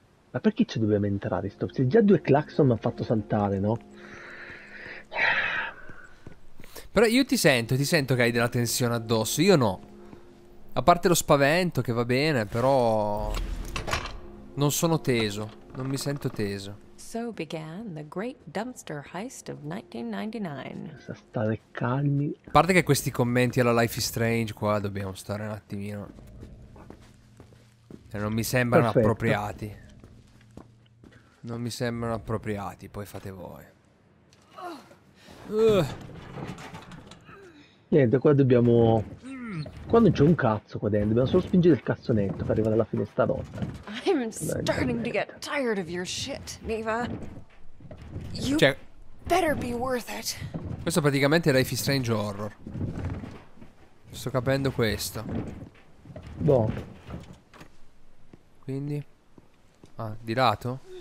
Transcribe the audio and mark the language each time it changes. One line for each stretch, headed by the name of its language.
Italian: Ma perché ci dobbiamo entrare? Sto, se già due clacson mi ha fatto saltare, no? Però io ti sento che hai della tensione addosso, io no. A parte lo spavento, che va bene, però non sono teso, non mi sento teso.
English: So began the great dumpster heist of 1999.
Italian: Stare calmi. A parte che questi commenti alla Life is Strange, qua dobbiamo stare un attimino. Non mi sembrano Perfetto. Appropriati. Non mi sembrano appropriati, poi fate voi. Niente, qua dobbiamo. Qua non c'è un cazzo qua dentro, dobbiamo solo spingere il cazzonetto per arrivare alla finestra rotta.
English: I'm starting to get tired of your shit, Neva. You
Italian: cioè,
English: better be worth it.
Italian: Questo praticamente è Life is Strange Horror. Sto capendo questo. Boh. Quindi? Ah, di lato?